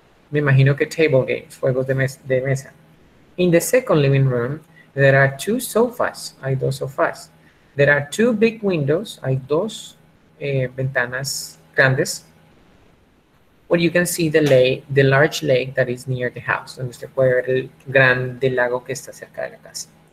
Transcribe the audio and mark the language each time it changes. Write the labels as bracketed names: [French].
[Spanish] Me imagino que [English] table games, [Spanish] juegos de mesa. [English] In the second living room, there are two sofas. [Spanish] Hay dos sofás. [English] There are two big windows. [Spanish] Hay dos ventanas grandes. [English] Where you can see the large lake that is near the house. [Spanish] Donde usted puede ver el gran del lago que está cerca de la casa.